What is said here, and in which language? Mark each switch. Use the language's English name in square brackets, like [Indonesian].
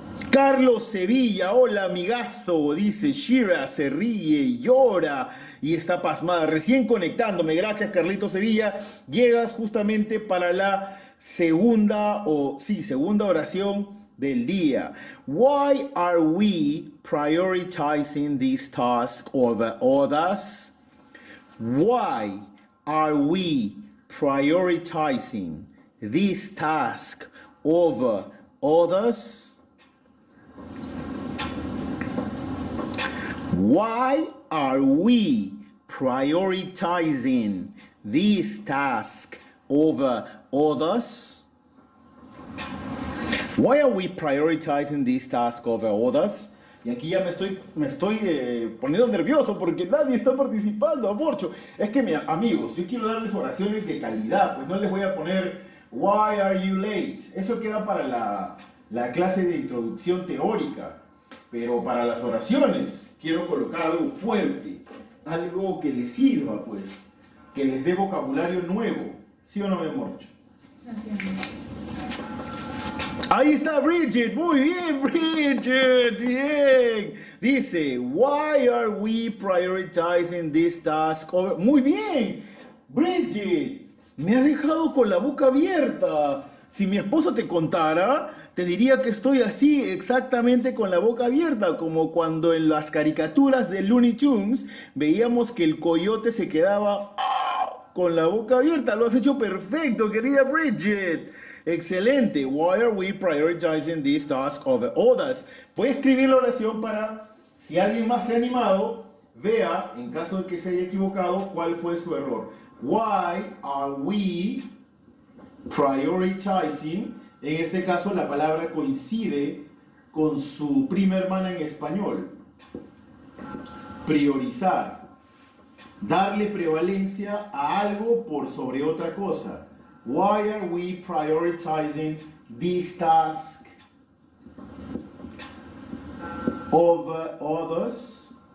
[Spanish] Carlos Sevilla, hola amigazo, dice Shira, se ríe y llora y está pasmada, recién conectándome. Gracias, Carlito Sevilla. Llegas justamente para la segunda o sí, segunda oración del día. [English] Why are we prioritizing this task over others? Why are we prioritizing this task over others? Why are we prioritizing Prioritizing this task over others. Why are we prioritizing this task over others? [Spanish] Y aquí ya me estoy poniendo nervioso porque nadie está participando, Morcho. Es que, amigos, yo quiero darles oraciones de calidad, pues no les voy a poner [English] Why are you late? [Spanish] Eso queda para la clase de introducción teórica, pero para las oraciones quiero colocar algo fuerte, algo que les sirva, pues, que les dé vocabulario nuevo. ¿Sí o no, me Morcho? Ahí está Bridget, muy bien, Bridget, bien. Dice, [English] Why are we prioritizing this task over? [Spanish] Muy bien, Bridget, me ha dejado con la boca abierta. Si mi esposo te contara, te diría que estoy así exactamente con la boca abierta, como cuando en las caricaturas de Looney Tunes veíamos que el coyote se quedaba con la boca abierta. Lo has hecho perfecto, querida Bridget. Excelente. [English] Why are we prioritizing this task over others? [Spanish] Voy a escribir la oración para si alguien más se ha animado, vea, en caso de que se haya equivocado, cuál fue su error. [English] Why are we prioritizing? [Spanish] En este caso, la palabra coincide con su prima hermana en español. Priorizar. Darle prevalencia a algo por sobre otra cosa. [English] Why are we prioritizing this task over others?